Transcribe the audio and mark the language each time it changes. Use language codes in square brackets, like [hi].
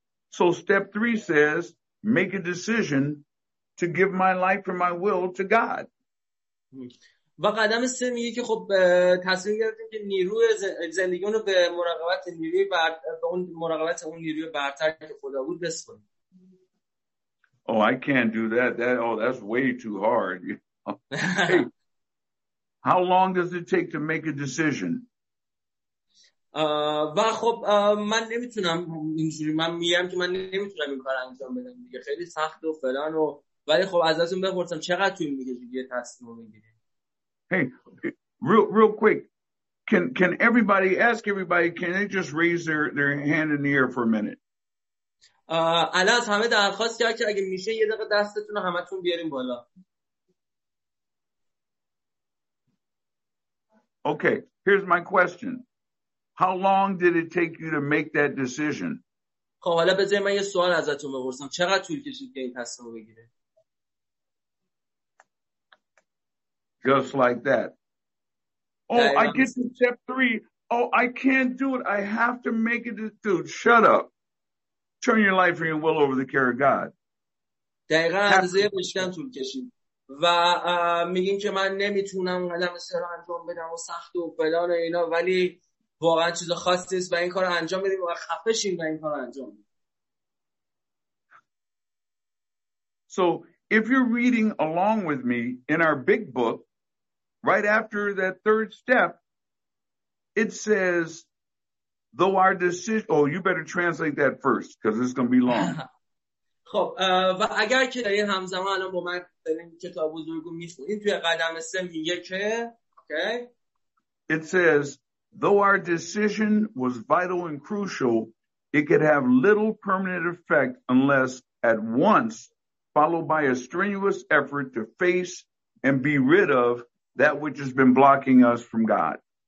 [en] So step 3 says make a decision to give my life and my will to God. [fa] و قدم سه میگه که خب تصمیم گرفتیم که نیروی زندگیمون رو به مراقبت نیروی بر به اون مراقبت اون نیروی برتر که خدا بود بسپاریم. [en] Oh, I can't do that. That's way too hard. Hey, how long does it take to make a decision? [fa] و خب من نمیتونم اینجوری، من میگم که من نمیتونم این کار انجام بدم دیگه، خیلی سخت و فلان و، ولی خب ازتون بپرسم چقدر طول میکشه یه تصمیم بگیری؟ [en] Hey, real quick. Can everybody ask everybody, can they just raise their hand in the air for a minute? [fa] الان از همه درخواست کرد که اگه میشه یه دقیقه دستتون رو همتون بیاریم بالا. [en] Okay, here's my question. How long did it take you to make that decision? [fa] خب حالا بذارید من یه سوال ازتون بپرسم. چقدر طول کشید که این تصمیم بگیره؟ [en] Just like that. Oh, I get to step 3. Oh, I can't do it. I have to make it. Dude, shut up. Turn your life and your will over the care of God. [fa] دقیقاً اندازه مشکل طول کشید و میگین که من نمیتونم قدم سر رو انجام بدم و سخت و فلان و اینا، ولی واقعا چیز خاصی نیست و این کارو انجام بدیم و خفه شیم و این کارو انجام بدیم. [en] So, if you're reading along with me in our big book, right after that third step, it says, though our decision, oh, you better translate that first, because it's going to be long. [fa] خب و اگر که در این همزمان الان با من داریم کتاب بزرگو میخونیم توی قدم سه میگه که [en] It says, though our decision was vital and crucial, it could have little permanent effect unless at once followed by a strenuous effort to face and be rid of that which has been blocking us from God.